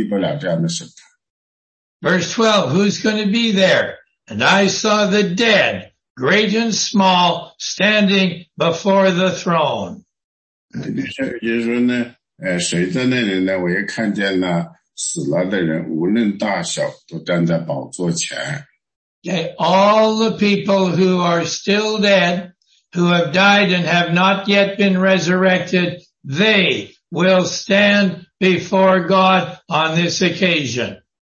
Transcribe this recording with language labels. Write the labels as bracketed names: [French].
[Chinese] 你不可能逃到墨西哥去，你逃到墨西哥也躲避不了这样的审判。 [English] Verse 12, who's going to be there? And I saw the dead, great and small, standing before the throne. [Chinese] 就是说呢，谁在那里呢？我也看见了死了的人，无论大小，都站在宝座前。 [English] Okay, all the people who are still dead, who have died and have not yet been resurrected, they will stand before God on this occasion.